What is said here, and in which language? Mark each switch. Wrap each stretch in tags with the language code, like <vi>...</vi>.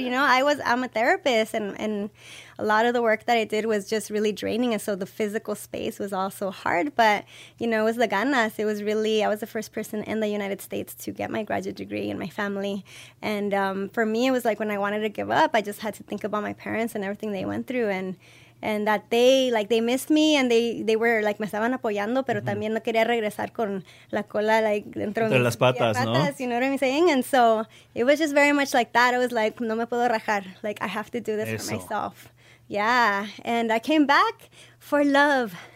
<en>You know, I'm a therapist, and a lot of the work that I did was just really draining. And so the physical space was also hard. But, you know, it was the ganas. It was really, I was the first person in the United States to get my graduate degree and my family. And for me, it was like when I wanted to give up, I just had to think about my parents and everything they went through. And that they missed me, and they were, like,</en> <es>me estaban apoyando, pero también no quería regresar con la cola, like, dentro de las patas, ¿no?</es> <en>You know what I'm saying? And so it was just very much like that. I was like,</en> <es>no me puedo rajar.</es> <en>Like, I have to do this for myself. Yeah. And I came back for love.</en>